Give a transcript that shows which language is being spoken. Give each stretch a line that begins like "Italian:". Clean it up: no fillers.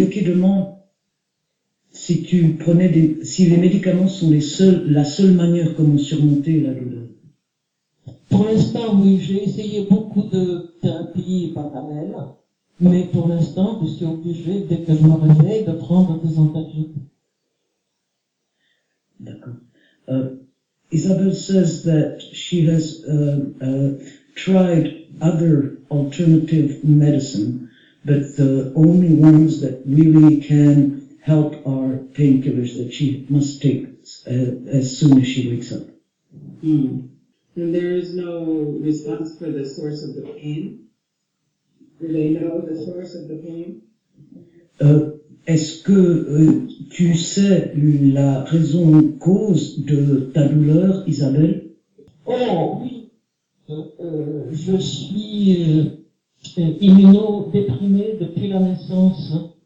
French: Yuki demande si tu prenais si les médicaments sont la seule manière comment surmonter la douleur. Pour l'instant, oui, j'ai essayé beaucoup de thérapies parallèles. Mais pour l'instant, je suis obligé, dès que je me réveille, de prendre des antalgiques. D'accord.
English: Isabel says that she has tried other alternative medicine, but the only ones that really can help are painkillers that she must take as soon as she wakes up. Mm. And there is no response for the source of the pain? Do they know the source of the pain?
French: Est-ce que tu sais la raison cause de ta douleur, Isabelle? Oh oui, je suis immunodéprimée depuis la naissance.